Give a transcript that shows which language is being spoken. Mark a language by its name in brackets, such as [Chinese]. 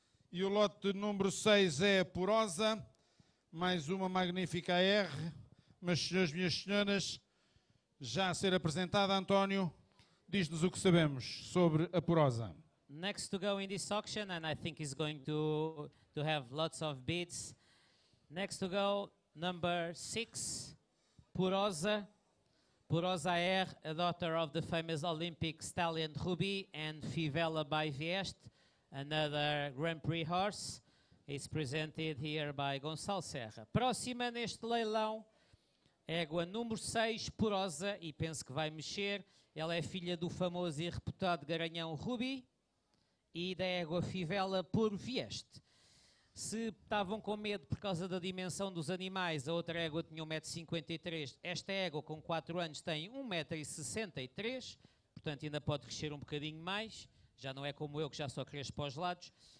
[Portuguese] E o lote número 6 é a Porosa, mais uma magnífica AR. Meus senhores, minhas senhoras, já a ser apresentada, António, diz-nos o que sabemos sobre a Porosa. [English] Next to go in this auction, and I think he's going to have lots of bids. Next to go, number 6, Porosa. Porosa AR, a daughter of the famous Olympic stallion Ruby, and Fivela by Vieste, another Grand Prix horse. is presented here by Gonçalo Serra. [Portuguese] Próxima neste leilão, égua número 6, Porosa, e penso que vai mexer. Ela é filha do famoso e reputado garanhão Ruby e da égua Fivela por Vieste. Se estavam com medo por causa da dimensão dos animais, a outra égua tinha 1,53m, esta égua com 4 anos tem 1,63m, portanto ainda pode crescer um bocadinho mais, já não é como eu que já só cresço para os lados.